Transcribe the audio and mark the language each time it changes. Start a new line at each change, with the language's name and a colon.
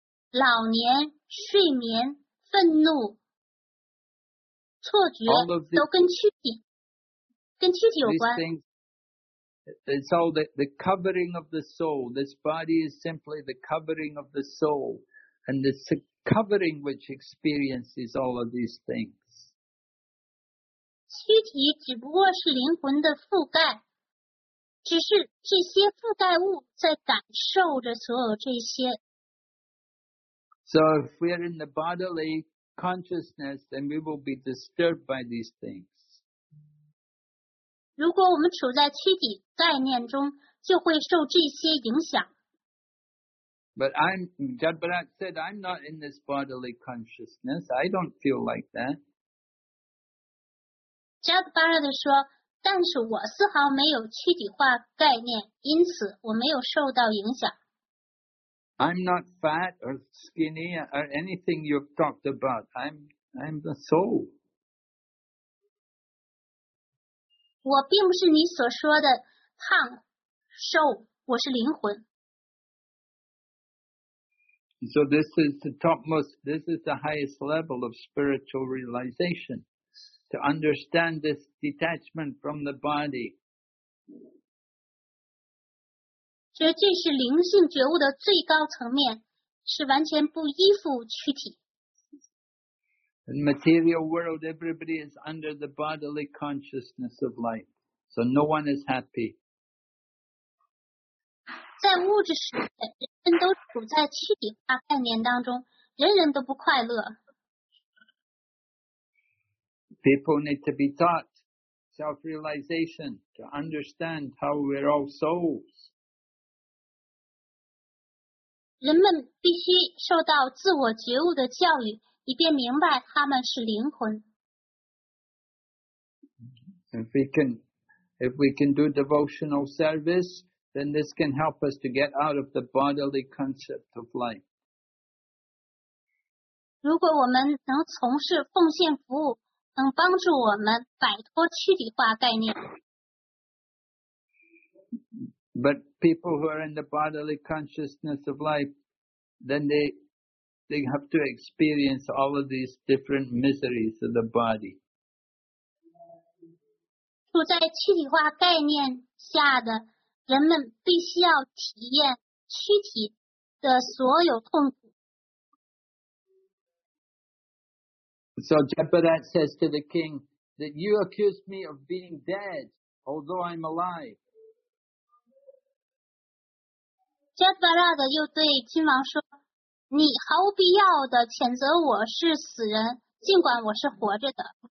Chinese: 老年、睡眠、愤怒、错觉
English: all of these,
Chinese: 都跟躯体有关。
English: It's all the covering of the soul. This body is simply the covering of the soul. And this covering which experiences all of these things.
Chinese: 躯体只不过是灵魂的覆盖，只是这些覆盖物在感受着所有这些。
English: So if we're in the bodily consciousness, then we will be disturbed by these things.
Chinese: 如果我们处在躯体概念中，就会受这些影响。
English: But I'm, Jadbarat said, I'm not in this bodily consciousness. I don't feel like that.
Chinese: Jadbarat 说，但是我丝毫没有躯体化概念，因此我没有受到影响。
English: I'm not fat or skinny or anything you've talked about. I'm the soul.
Chinese: 我并不是你所说的胖瘦，我是灵魂。
English: So this is the topmost, this is the highest level of spiritual realization, to understand this detachment from the body.
Chinese: 这就是灵性觉悟的最高层面，是完全不依附躯体。
English: In the material world, everybody is under the bodily consciousness of life. So no one is happy.
Chinese: 在物质世界，人人都处在躯体化概念当中，人人都不快乐。
English: People need to be taught self-realization to understand how we're all souls.
Chinese: 人们必须受到自我觉悟的教育，以便明白他们是灵魂。
English: If we can do devotional service, then this can help us to get out of the bodily concept of life.
Chinese: 如果我们能从事奉献服务，能帮助我们摆脱躯体化概念。
English: But people who are in the bodily consciousness of life, then they have to experience all of these different miseries of the body.
Chinese: 处在躯体化概念下的人们必须要体验躯体的所有痛苦。
English: So Jadbarat says to the king that you accuse me of being dead, although I'm alive.
Chinese: Jadbarat 又对君王说，你毫无必要的谴责我是死人，尽管我是活着的。